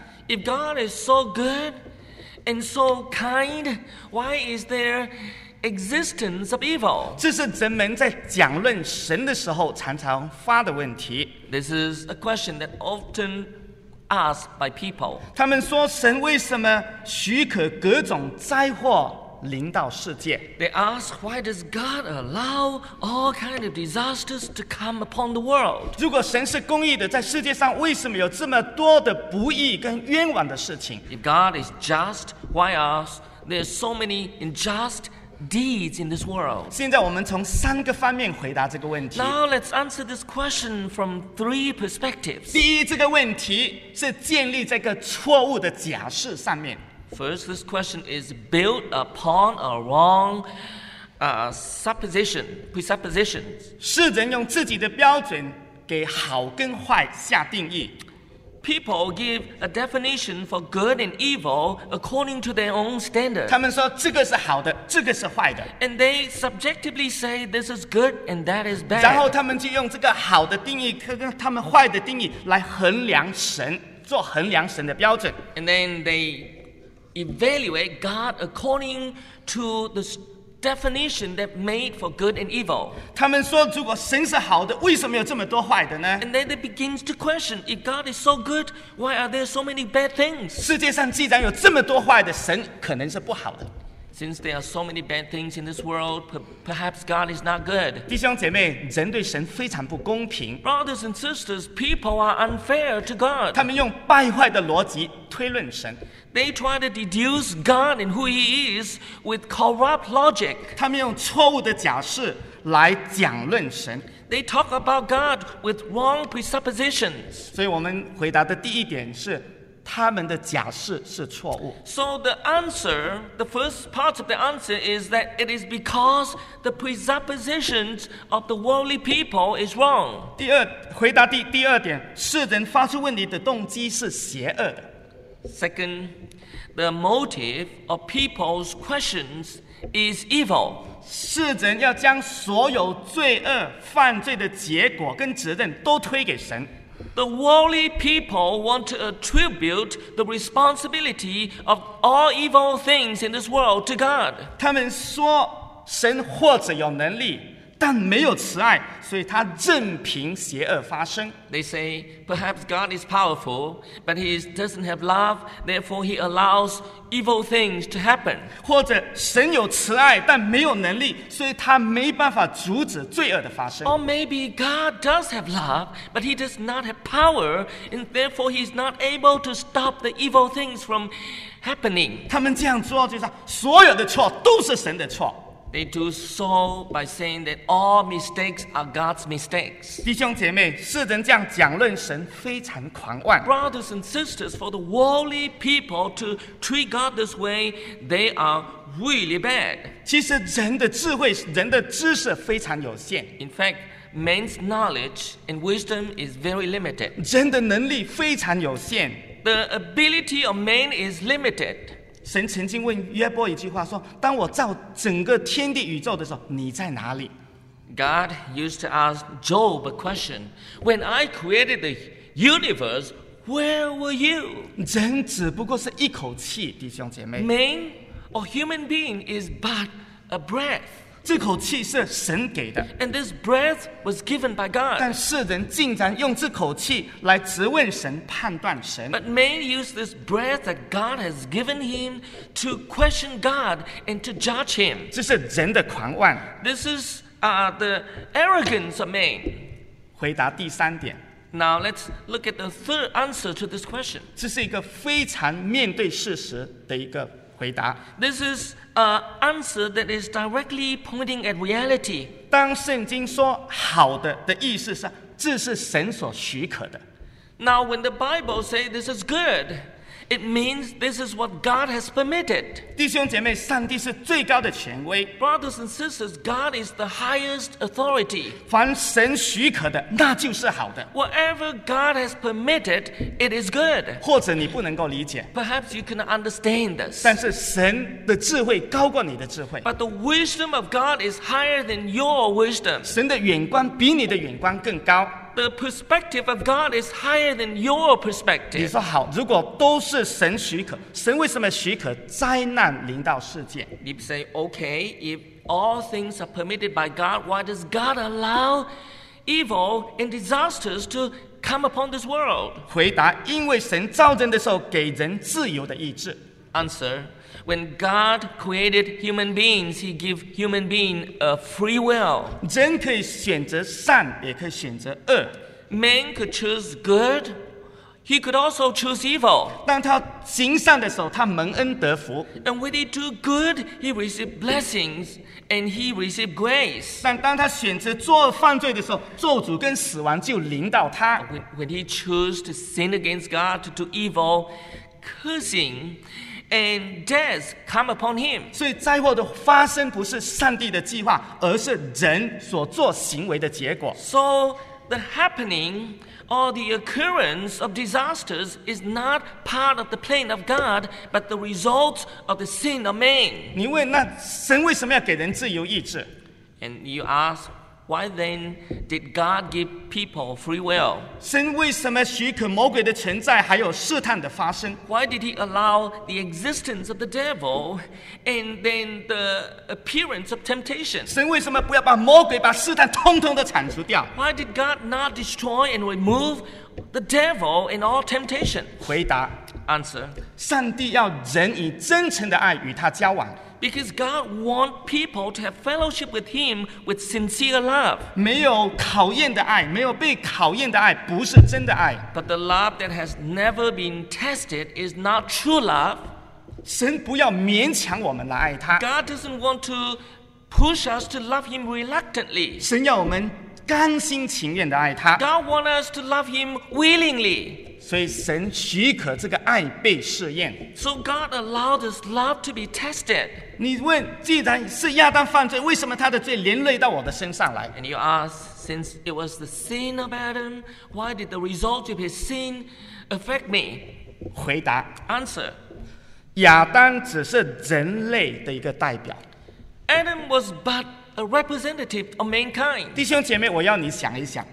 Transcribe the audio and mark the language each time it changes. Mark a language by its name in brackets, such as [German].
[English] If God is so good and so kind, why is there existence of evil? [Chinese] 这是人们在讲论神的时候常常发的问题。 [English] This is a question that often asked by people. [Chinese] 他们说神为什么许可各种灾祸临到世界？ [English] They ask, why does God allow all kinds of disasters to come upon the world? [Chinese] 如果神是公义的，在世界上为什么有这么多的不义跟冤枉的事情？ [English] If God is just, why are there so many unjust deeds in this world? [Chinese] 现在我们从三个方面回答这个问题。 [English] Now let's answer this question from three perspectives. [Chinese] 第一，这个问题是建立在一个错误的假设上面。 [English] First, this question is built upon a wrong presupposition. [Chinese] 世人用自己的标准给好跟坏下定义。 [English] People give a definition for good and evil according to their own standard. [Chinese] 他们说这个是好的，这个是坏的。 [English] And they subjectively say this is good and that is bad. [Chinese] 然后他们就用这个好的定义跟他们坏的定义来衡量神，做衡量神的标准。 [English] And then they evaluate God according to the definition that made for good and evil. [Chinese] 他们说如果神是好的，为什么有这么多坏的呢？ [English] And then they begin to question, if God is so good, why are there so many bad things? [Chinese] 世界上既然有这么多坏的，神可能是不好的。 [English] Since there are so many bad things in this world, perhaps God is not good. [Chinese] 弟兄姐妹，人对神非常不公平。 [English] Brothers and sisters, people are unfair to God. [Chinese] 他们用败坏的逻辑推论神。 [English] They try to deduce God and who He is with corrupt logic. [Chinese] 他们用错误的假设来讲论神。 [English] They talk about God with wrong presuppositions. [Chinese] 所以我们回答的第一点是，他们的假设是错误。 [English] So the answer, the first part of the answer is that it is because the presuppositions of the worldly people is wrong. [Chinese] 第二，回答第二点，世人发出问题的动机是邪恶的。 [English] Second, the motive of people's questions is evil. [Chinese] 世人要将所有罪恶、犯罪的结果跟责任都推给神。 [English] The worldly people want to attribute the responsibility of all evil things in this world to God. [Chinese] 他们说神或者有能力，但没有慈爱，所以他任凭邪恶发生。 [English] They say, perhaps God is powerful, but he doesn't have love, therefore he allows evil things to happen. [Chinese] 或者神有慈爱，但没有能力，所以他没办法阻止罪恶的发生。 [English] Or maybe God does have love, but he does not have power, and therefore he is not able to stop the evil things from happening. [Chinese] 他们这样做就是所有的错都是神的错。 [English] They do so by saying that all mistakes are God's mistakes. [Chinese] 弟兄姐妹，世人这样讲论神非常狂妄。 [English] Brothers and sisters, for the worldly people to treat God this way, they are really bad. [Chinese] 其实人的智慧，人的知识非常有限。 [English] In fact, man's knowledge and wisdom is very limited. [Chinese] 人的能力非常有限。 [English] The ability of man is limited. [Chinese] 神曾经问约伯一句话说，当我造整个天地宇宙的时候，你在哪里？ [English] God used to ask Job a question. When I created the universe, where were you? [Chinese] 人只不过是一口气，弟兄姐妹。 [English] Man or human being is but a breath. [Chinese] 这口气是神给的。 [English] And this breath was given by God. [Chinese] 但世人竟然用这口气来质问神，判断神。 [English] But man used this breath that God has given him to question God and to judge him. [Chinese] 这是人的狂妄。 [English] This is the arrogance of man. [Chinese] 回答第三点。 [English] Now let's look at the third answer to this question. [Chinese] 这是一个非常面对事实的一个回答。 [English] This is an answer that is directly pointing at reality. [Chinese] 当圣经说好的意思是，这是神所许可的。 [English] Now when the Bible says this is good, it means this is what God has permitted. [Chinese] 弟兄姐妹，上帝是最高的权威。 [English] Brothers and sisters, God is the highest authority. [Chinese] 凡神许可的，那就是好的。 [English] Whatever God has permitted, it is good. [Chinese] 或者你不能够理解。 [English] Perhaps you cannot understand this. [Chinese] 但是神的智慧高过你的智慧。 [English] But the wisdom of God is higher than your wisdom. [Chinese] 神的眼光比你的眼光更高。 [English] The perspective of God is higher than your perspective. [Chinese] 你说好，如果都是神许可，神为什么许可灾难临到世界？ [English] You say, okay, if all things are permitted by God, why does God allow evil and disasters to come upon this world? [Chinese] 回答，因为神造人的时候给人自由的意志。 [English] Answer, when God created human beings, he gave human beings a free will. [Chinese] 人可以选择善，也可以选择恶。 [English] Man could choose good, he could also choose evil. [Chinese] 当他行善的时候，他蒙恩得福。 [English] And when he do good, he receives blessings and he receives grace. [Chinese] 但当他选择做犯罪的时候，咒诅跟死亡就临到他。 [English] When he choose to sin against God, to do evil, cursing and death come upon him. [Chinese] 所以灾祸的发生不是上帝的计划，而是人所做行为的结果。 [English] So the happening or the occurrence of disasters is not part of the plan of God, but the result of the sin of man. [Chinese] 你问那神为什么要给人自由意志？ [English] And you ask, why then did God give people free will? [Chinese] 神为什么许可魔鬼的存在，还有试探的发生？ [English] Why did he allow the existence of the devil and then the appearance of temptation? [Chinese] 神为什么不要把魔鬼、把试探通通的铲除掉？ [English] Why did God not destroy and remove the devil and all temptation? [Chinese] 回答 [English] Answer. [Chinese] 上帝要人以真诚的爱与他交往。 [English] Because God wants people to have fellowship with Him with sincere love. [Chinese] 没有考验的爱，没有被考验的爱，不是真的爱。 [English] But the love that has never been tested is not true love. [Chinese] 神不要勉强我们来爱他。 [English] God doesn't want to push us to love Him reluctantly. [Chinese] 神要我们甘心情愿的爱他。 [English] God wants us to love Him willingly. [Chinese] 所以神许可这个爱被试验。 [English] So God allowed this love to be tested. [Chinese] 你问，既然是亚当犯罪，为什么他的罪连累到我的身上来？ [English] And you ask, since it was the sin of Adam, why did the result of his sin affect me? [Chinese] 回答。 [English] Answer. [Chinese] 亚当只是人类的一个代表。 [English] Adam was but a representative of mankind. [Chinese] 弟兄姐妹，我要你想一想。